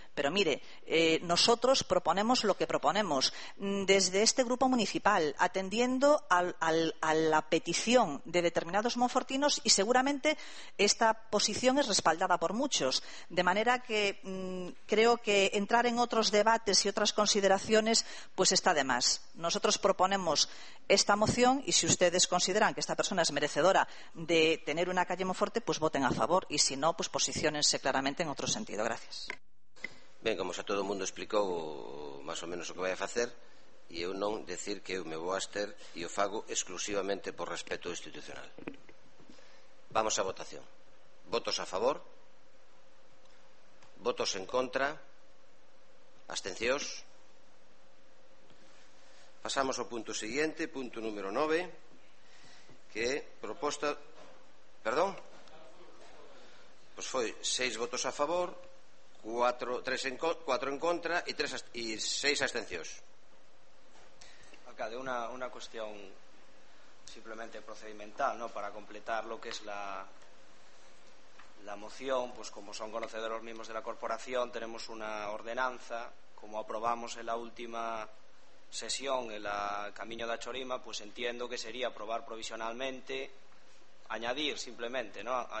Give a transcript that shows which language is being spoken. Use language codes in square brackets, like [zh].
[es] Pero mire, nosotros proponemos lo que proponemos desde este grupo municipal, atendiendo a la petición de determinados monfortinos, y seguramente esta posición es respaldada por muchos, de manera que creo que entrar en otros debates y otras consideraciones pues está de más. Nosotros proponemos esta moción, y si ustedes consideran que esta persona es merecedora de tener una calle Monforte, pues voten a favor, y si no, pues posiciónense claramente en otro sentido. Gracias. [gl] Ben, como xa todo o mundo explicou máis ou menos o que vai a facer, e eu non decir que eu me vou a ester e o fago exclusivamente por respeto institucional. Vamos á votación. Votos a favor, votos en contra, abstencións. Pasamos ao punto seguinte, punto número 9, que proposta... Perdón? Pois foi 6 votos a favor, 4 en contra e 6 abstencións. [es] Alcalde, una cuestión simplemente procedimental, ¿no? Para completar lo que es la moción, pues como son conocedores mismos de la corporación, tenemos una ordenanza, como aprobamos en la última sesión en la Camino de Achorima, pues entiendo que sería aprobar provisionalmente, añadir simplemente, ¿no?